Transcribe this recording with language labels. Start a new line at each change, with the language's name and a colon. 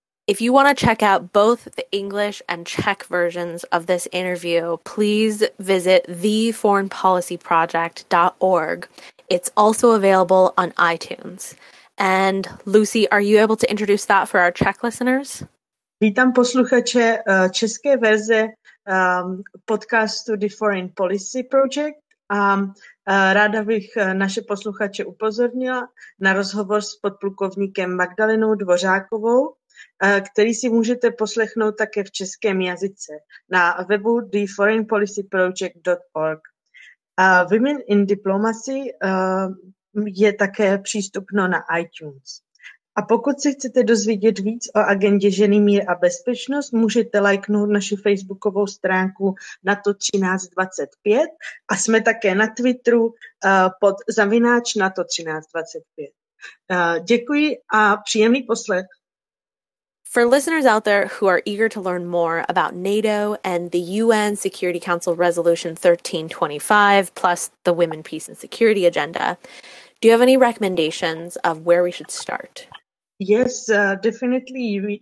English: If you want to check out both the English and Czech versions of this interview, please visit theforeignpolicyproject.org. It's also available on iTunes. And Lucy, are you able to introduce that for our Czech listeners?
Czech: Vítám posluchače české verze podcastu The Foreign Policy Project a ráda bych naše posluchače upozornila na rozhovor s podplukovníkem Magdalenou Dvořákovou, který si můžete poslechnout také v českém jazyce na webu theforeignpolicyproject.org. Women in Diplomacy je také přístupno na iTunes. A pokud se chcete dozvědět víc o agendě ženy, mír a bezpečnost, můžete lajknout naši facebookovou stránku NATO1325 a jsme také na Twitteru pod zavináč NATO1325. Děkuji a příjemný poslech.
English: For listeners out there who are eager to learn more about NATO and the UN Security Council Resolution 1325 plus the Women, Peace and Security Agenda, do you have any recommendations of where we should start? Yes, definitely.